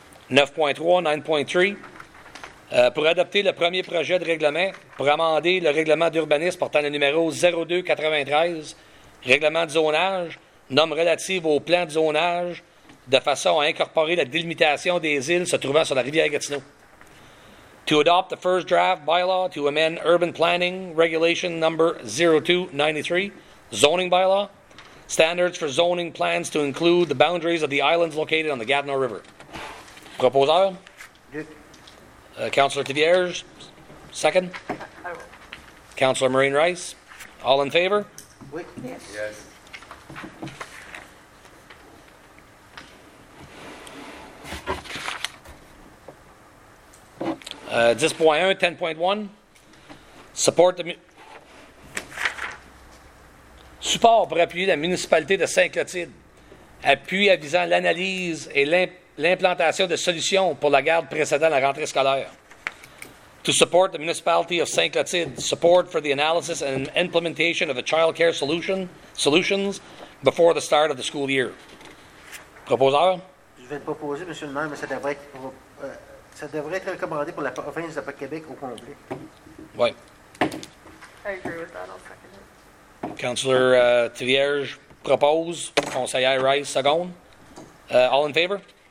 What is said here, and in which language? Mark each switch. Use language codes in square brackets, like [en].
[en] 9.3, 9.3. [fr] Pour adopter le premier projet de règlement, pour amender le règlement d'urbanisme portant le numéro 0293, règlement de zonage, norme relative au plan de zonage, de façon à incorporer la délimitation des îles se trouvant sur la rivière Gatineau. [en] To adopt the first draft bylaw to amend urban planning regulation number 0293, zoning bylaw, standards for zoning plans to include the boundaries of the islands located on the Gatineau River. [fr] Proposeur? [en] Yes. Councillor Thivierge, second. I will. Councillor Marine Rice, all in favor? [fr] Oui. [en] Yes. Yes. 10.1, 10.1. Support the. [fr] Support pour appuyer la municipalité de Sainte-Clotilde. Appui avisant l'analyse et l'implantation de solutions pour la garde précédant la rentrée scolaire. [en] To support the municipality of Sainte-Clotilde, support for the analysis and implementation of the child care solutions before the start of the school year. [fr] Proposeur? Je vais proposer, M. le maire, mais ça devrait être recommandé pour la province de Québec au complet. Oui. [en] I agree with that. I'll second it. Councillor Thivierge propose, [fr] conseillère Rice, seconde. [en] All in favor?